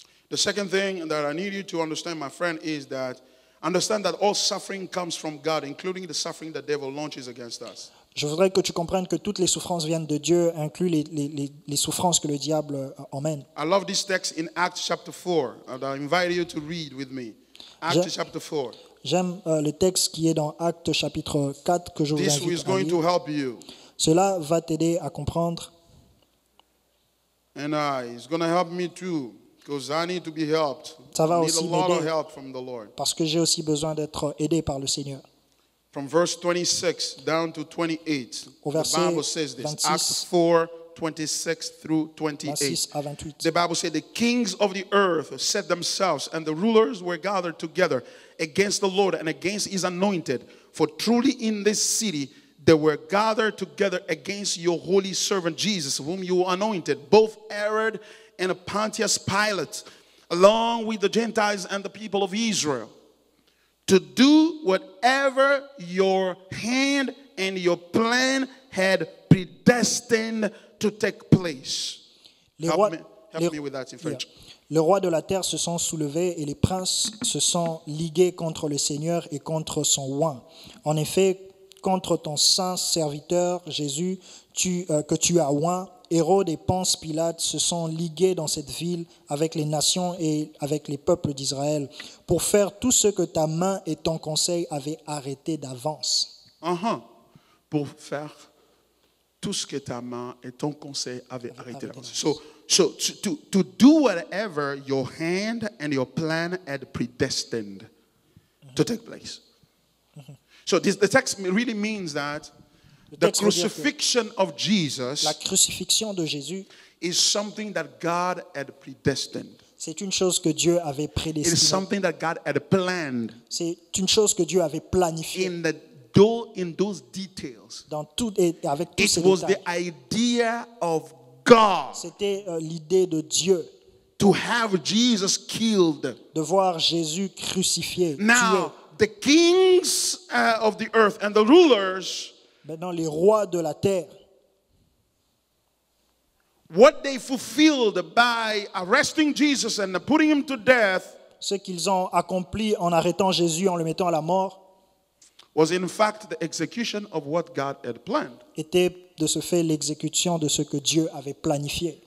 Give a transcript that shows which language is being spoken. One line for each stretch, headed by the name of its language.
English: The second thing that I need you to understand, my friend, is that understand that all suffering comes from God, including the suffering the devil launches against us.
French: Je voudrais que tu comprennes que toutes les souffrances viennent de Dieu, inclut les souffrances que le diable emmène.
English: I love this text in Acts chapter 4, and I invite you to read with me. Acts chapter 4.
French: J'aime le texte qui est dans Actes chapitre 4 que je vous invite à lire.
English: This is going to help you.
French: Cela va t'aider à comprendre.
English: And it's going to help me too, because I need to be helped.
French: Ça va aussi m'aider.
English: I need a lot of help from the Lord.
French: Parce que j'ai aussi besoin d'être aidé par le Seigneur.
English: From verse 26 down to 28, the Bible says this, 26, Acts 4, 26 through 28. The Bible says, the kings of the earth set themselves and the rulers were gathered together against the Lord and against his anointed. For truly in this city, they were gathered together against your holy servant Jesus, whom you anointed, both Herod and Pontius Pilate, along with the Gentiles and the people of Israel. To do whatever your hand and your plan had predestined to take place. Help me with that in French. Yeah.
French: Le roi de la terre se sont soulevés et les princes se sont ligués contre le Seigneur et contre son oint. En effet, contre ton saint serviteur Jésus, que tu as oint, Hérode et Ponce Pilate se sont ligués dans cette ville avec les nations et avec les peuples d'Israël pour faire tout ce que ta main et ton conseil avaient arrêté d'avance. Pour faire tout ce que ta main et ton conseil avaient arrêté d'avance.
English: So to do whatever your hand and your plan had predestined to take place. So this, the text really means that the crucifixion of Jesus,
French: la crucifixion de Jésus,
English: is something that God had predestined.
French: C'est une chose que Dieu avait prédestinée.
English: It is something that God had planned.
French: C'est une chose que Dieu avait planifiée.
English: In those details,
French: dans tout et avec tous ces détails,
English: it was the idea of God.
French: C'était l'idée de Dieu.
English: To have Jesus killed.
French: De voir Jésus crucifié.
English: Now
French: tué.
English: The kings of the earth and the rulers.
French: Maintenant, les rois de la terre.
English: What they fulfilled by arresting Jesus and putting him to death,
French: ce qu'ils ont accompli en arrêtant Jésus, en le mettant à la mort,
English: was in fact the execution of what God had planned.
French: Était de ce fait l'exécution de ce que Dieu avait planifié.